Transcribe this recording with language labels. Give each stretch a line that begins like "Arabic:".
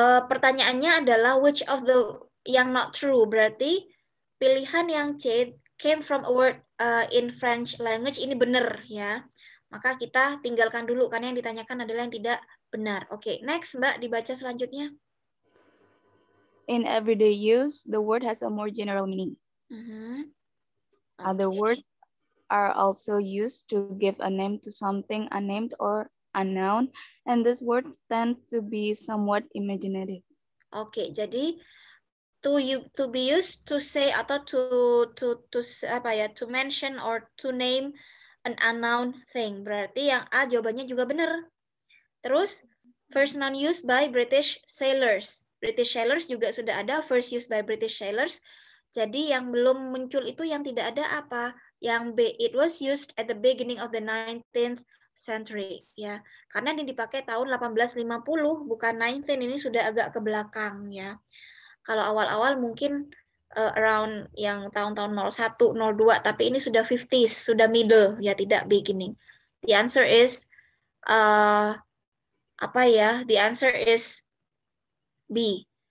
Indonesian: Pertanyaannya adalah
English: which of the
Indonesian: yang not true, berarti pilihan yang C
English: came from a word in French language
Indonesian: ini benar ya. Maka kita tinggalkan dulu karena yang ditanyakan adalah yang tidak benar. Oke, okay. Next Mbak, dibaca selanjutnya.
English: in everyday use, the word has a more general meaning. Mm-hmm. Other words are also used to give a name to something unnamed or unknown, and these words tend to be somewhat imaginative. Okay,
Indonesian: jadi
English: to be used to say atau to
Indonesian: apa ya,
English: to mention or to name an unknown thing.
Indonesian: Berarti yang A jawabannya juga benar. Terus
English: first noun used by British sailors.
Indonesian: British sailors juga sudah ada,
English: first used by British sailors.
Indonesian: Jadi yang belum muncul itu yang tidak ada apa? Yang B,
English: it was used at the beginning of the 19th century, ya.
Indonesian: Karena ini dipakai tahun 1850, bukan 19, ini sudah agak ke belakang, ya. Kalau awal-awal mungkin around yang tahun-tahun 01, 02, tapi ini sudah 50s, sudah middle, ya, tidak beginning.
English: The answer is, the answer is B.